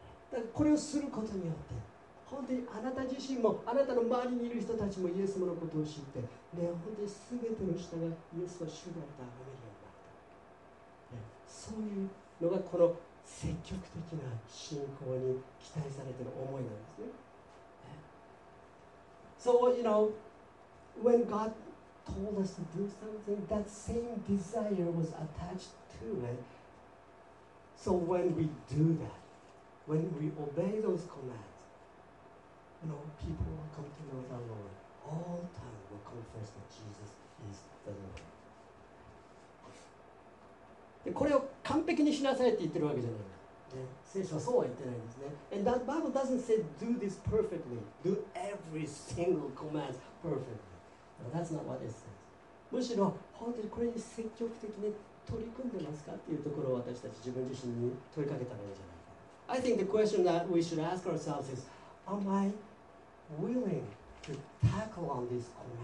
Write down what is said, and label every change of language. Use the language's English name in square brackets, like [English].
[Japanese] だからこれをすることによって本当にあなた自身もあなたの周りにいる人たちもイエス様のことを知って、ね、本当に全ての人がイエスは主だとあがめるようになった、ね、そういうのがこの積極的な信仰に期待されている思いなんですね。 [English] So you know when God told us to do something that same desire was attached to it. So when we do that when we obey those commandsYou know, people will come to know the Lord. All time will confess that Jesus is the Lord. [Japanese] これを完璧にしなさいって言ってるわけじゃない。聖書はそうは言ってないんですね。 [English] And the Bible doesn't say do this perfectly. Do every single command perfectly. No, that's not what it says. [Japanese] むしろ、本当にこれに積極的に取り組んでますかっていうところを私たち自分自身に問いかけたらいいじゃないか。 [English] I think the question that we should ask ourselves is,Am I willing to tackle on these commands?